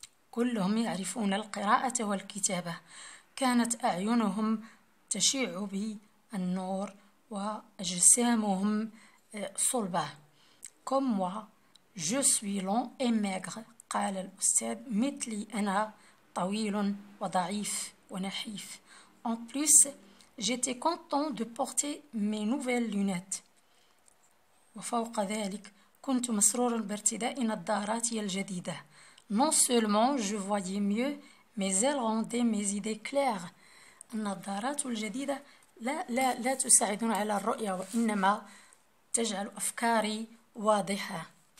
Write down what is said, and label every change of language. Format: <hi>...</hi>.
<ar>كلهم يعرفون القراءة والكتابة. كانت أعينهم تشع بالنور وأجسامهم صلبة.</ar> <fr>Comme moi, je suis long et maigre,</fr> <ar>قال الأستاذ. مثلي أنا طويل وضعيف ونحيف.</ar> <fr>En plus, J'étais content de porter mes nouvelles lunettes.</fr> <ar>وفوق ذلك كنت مسرورا بارتداء نظاراتي الجديدة.</ar> <fr>Non seulement je voyais mieux, mais elles rendaient mes idées claires.</fr> <ar>النظارات الجديدة لا تساعدني على الرؤية وإنما تجعل أفكاري واضحة.</ar>